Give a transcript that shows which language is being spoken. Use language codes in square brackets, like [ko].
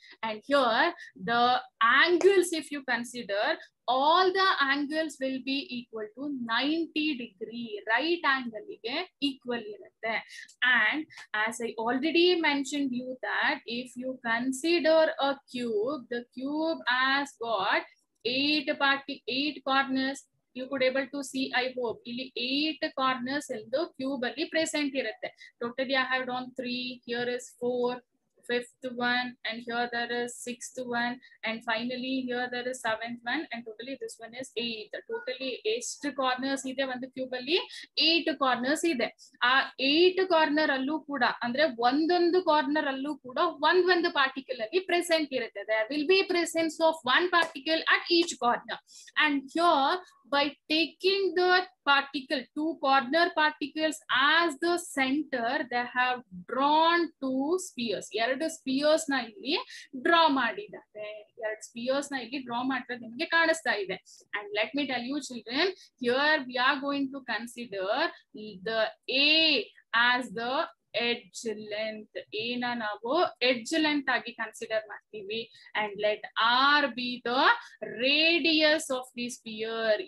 [en] And here the angles, if you consider all the angles, will be equal to 90 degree, right angle [kn] ige equal irutte. [en] And as I already mentioned you that if you consider a cube, the cube has got 8 corners, [kn] ನೀವು ಕೂಡ [en] able to see I hope [kn] ಇಲ್ಲಿ 8 corners ಎಂದು cube ಅಲ್ಲಿ present ಇರುತ್ತೆ. [en] Totally I have drawn 3, here is 4, fifth one, and here there is 6th one, and finally here there is 7th one, and totally this one is 8. [kn] Totally ಎಷ್ಟು corners ಇದೆ ಒಂದು cube ಅಲ್ಲಿ? 8 corners ಇದೆ. ಆ 8 corner ಅಲ್ಲೂ ಕೂಡ ಅಂದ್ರೆ ಒಂದೊಂದು ಕಾರ್ನರ್ ಅಲ್ಲೂ ಕೂಡ ಒಂದೊಂದು ಪಾರ್ಟಿಕಲ್ ಅಲ್ಲಿ ಪ್ರೆಸೆಂಟ್ ಇರುತ್ತೆ. [en] There will be presence of one particle at each corner. And here by taking the particle, two corner particles as the center, they have drawn two spheres. [kn] ಎರಡು ಸ್ಪಿಯರ್ಸ್ ನ ಇಲ್ಲಿ draw ಮಾಡಿದ್ದಾರೆ. ಎರಡು spears ನ ಇಲ್ಲಿ draw ಮಾಡಿದ್ರೆ ನಿಮ್ಗೆ ಕಾಣಿಸ್ತಾ ಇದೆ. [en] And let me tell you children, here we are going to consider the A as the edge length. [kn] ಏನ ನಾವು ಎಡ್ಜ್ ಲೆಂತ್ ಆಗಿ ಕನ್ಸಿಡರ್ ಮಾಡ್ತೀವಿ. [en] And let R be the radius of the sphere.